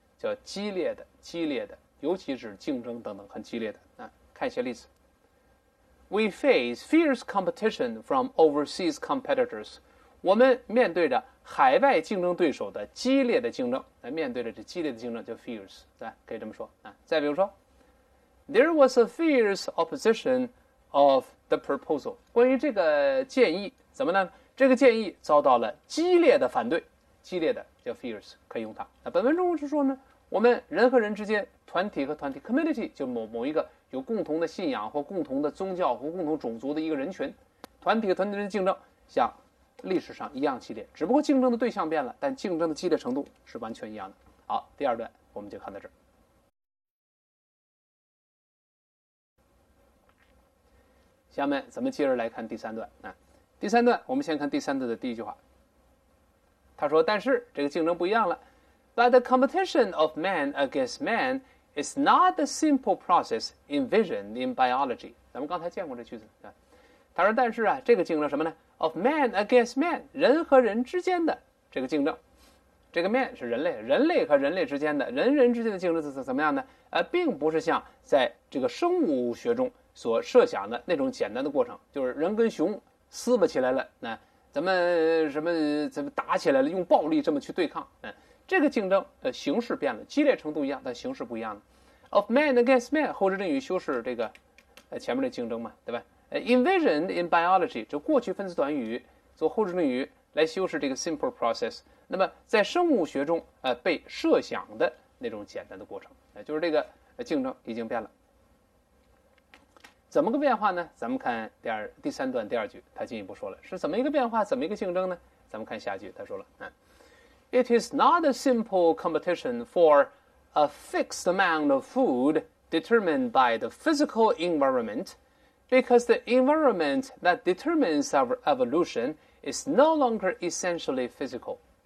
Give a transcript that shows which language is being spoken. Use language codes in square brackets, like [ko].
[zh] 叫激烈的，激烈的，尤其是竞争等等很激烈的啊。看一些例子。 [en] We face fierce competition from overseas competitors. [zh] 我们面对着海外竞争对手的激烈的竞争，面对着这激烈的竞争叫 fierce， 对，可以这么说啊。再比如说 [en] ，There was a fierce opposition of the proposal. [zh] 关于这个建议，怎么呢？这个建议遭到了激烈的反对，激烈的叫 fierce， 可以用它。那本文中是说呢，我们人和人之间，团体和团体 ，community 就某一个有共同的信仰或共同的宗教或共同种族的一个人群，团体和团体的竞争，像历史上一样激烈，只不过竞争的对象变了，但竞争的激烈程度是完全一样的。好，第二段我们就看到这儿。下面咱们接着来看第三段。第三段我们先看第三段的第一句话。他说，但是这个竞争不一样了。 [en] But the competition of man against man is not the simple process envisioned in biology. [zh] 咱们刚才见过这句子。他说，但是啊，这个竞争什么呢？ [en] Of man against man， [zh] 人和人之间的这个竞争，这个 man 是人类，人类和人类之间的，人人之间的竞争是怎么样呢？并不是像在这个生物学中所设想的那种简单的过程，就是人跟熊撕巴起来了，那咱们什么怎么打起来了，用暴力这么去对抗，这个竞争形式变了，激烈程度一样，但形式不一样的。 [en] Of man against man， [zh] 后置定语修饰这个前面的竞争嘛，对吧？ [en] Envisioned in biology， [zh] 这过去分词短语做后置定语来修饰这个 [en] simple process， [zh] 那么在生物学中被设想的那种简单的过程，就是这个竞争已经变了。怎么个变化呢？咱们看第三段第二句，他进一步说了是怎么一个变化，怎么一个竞争呢？咱们看下句，他说了 [en] It is not a simple competition for a fixed amount of food determined by the physical environmentBecause the environment that determines our evolution is no longer essentially physical.